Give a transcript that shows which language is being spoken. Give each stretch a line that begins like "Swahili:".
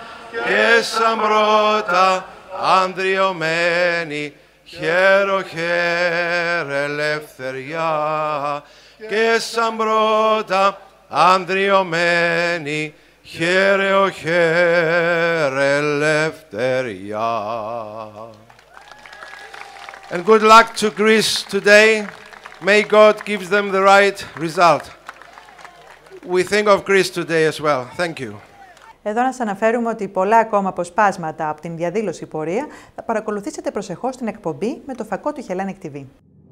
Greek: και σαν πρώτα ανδριωμένη χέρο-χέρ ελευθερία και σαν πρώτα ανδριωμένη χέρο-χέρ ελευθερία.
English: And good luck to Greece today. May God give them the right result. We think of Greece today as well. Thank you.
Greek: Εδώ να σας αναφέρουμε ότι πολλά ακόμα αποσπάσματα από την διαδήλωση πορεία θα παρακολουθήσετε προσεχώς την εκπομπή με το φακό του Χελένικ TV.